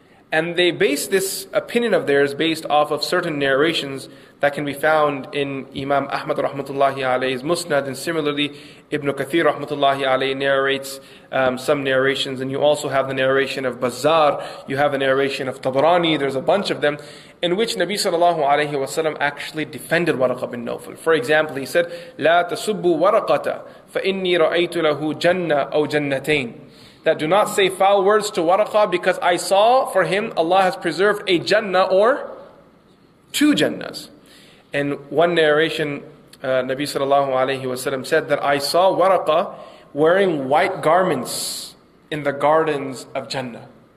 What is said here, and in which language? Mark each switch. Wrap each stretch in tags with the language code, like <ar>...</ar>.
<en>And they base this opinion of theirs based off of certain narrations that can be found in Imam Ahmad rahmatullahi alayhi's Musnad, and similarly Ibn Kathir rahmatullahi alayhi narrates some narrations, and you also have the narration of Bazzar, you have the narration of Tabrani, there's a bunch of them, in which Nabi sallallahu alayhi wa sallam actually defended Waraqah bin Nawfal. For example, he said,</en> <ar>لَا تَسُبُّ وَرَقَةَ فَإِنِّي رَأَيْتُ لَهُ جَنَّةً أَوْ جَنَّتَيْنَ.</ar> <en>That do not say foul words to Waraqah, because I saw for him Allah has preserved a Jannah or two Jannahs. And one narration, Nabi sallallahu alayhi wa sallam said that I saw Waraqah wearing white garments in the gardens of Jannah.</en>